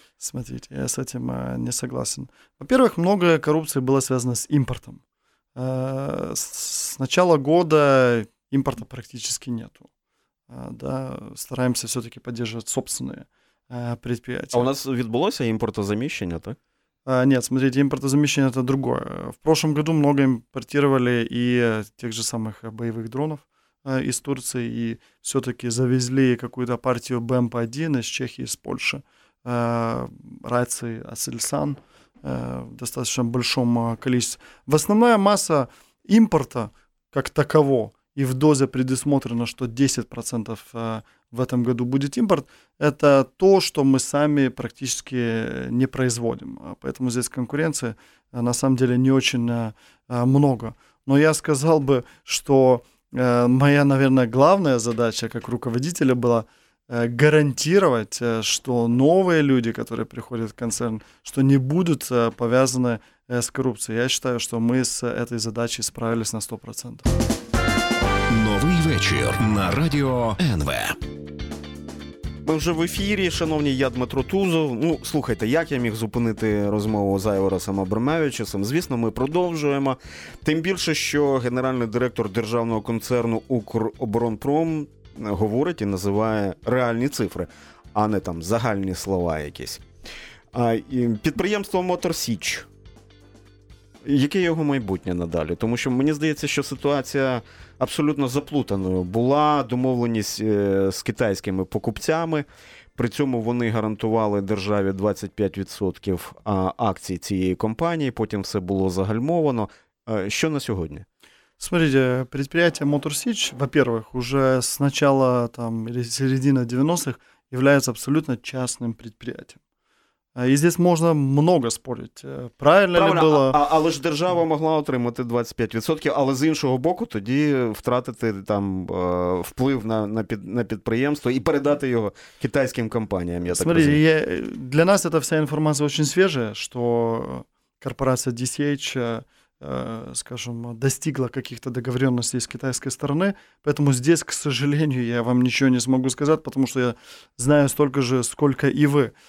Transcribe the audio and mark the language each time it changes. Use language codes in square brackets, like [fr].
[ru] Смотрите, я с этим не согласен. Во-первых, много коррупции было связано с импортом. С начала года импорта практически нету. Да, стараемся все-таки поддерживать собственные предприятия. [uk] А у нас відбулося импортозамещение, так? [ru] Нет, смотрите, импортозамещение – это другое. В прошлом году много импортировали и тех же самых боевых дронов из Турции, и все-таки завезли какую-то партию БМП-1 из Чехии, из Польши. Рации «Ацельсан» в достаточно большом количестве. В основная масса импорта как таково, и в дозе предусмотрено, что 10% в этом году будет импорт, это то, что мы сами практически не производим. Поэтому здесь конкуренции на самом деле не очень много. Но я сказал бы, что моя, наверное, главная задача как руководителя была гарантировать, что новые люди, которые приходят в концерн, что не будут повязаны с коррупцией. Я считаю, что мы с этой задачей справились на 100%. [uk] Новий вечір на радіо НВ. Ми вже в ефірі, шановні, я Дмитро Тузов. Ну, слухайте, як я міг зупинити розмову з Айворосом Абромавичусом? Звісно, ми продовжуємо. Тим більше, що генеральний директор державного концерну «Укроборонпром» говорить і називає реальні цифри, а не там загальні слова якісь. Підприємство «Мотор Січ». Яке його майбутнє надалі? Тому що мені здається, що ситуація абсолютно заплутаною. Була домовленість з китайськими покупцями, при цьому вони гарантували державі 25% акцій цієї компанії, потім все було загальмовано. Що на сьогодні? [ru] Смотрите, предприятие «Мотор Січ», во-первых, уже с начала там, середины 90-х является абсолютно частным предприятием. И здесь можно много спорить, правильно ли было... [uk] Але ж держава могла отримати 25%, але з іншого боку тоді втратити там вплив на підприємство і передати його китайським компаніям, я так розумію. [ru] Смотрите, для нас эта вся информация очень свежая, что корпорация DCH, скажем, достигла каких-то договоренностей с китайской стороны, поэтому здесь, к сожалению, я вам ничего не смогу сказать, потому что я знаю столько же, сколько и вы.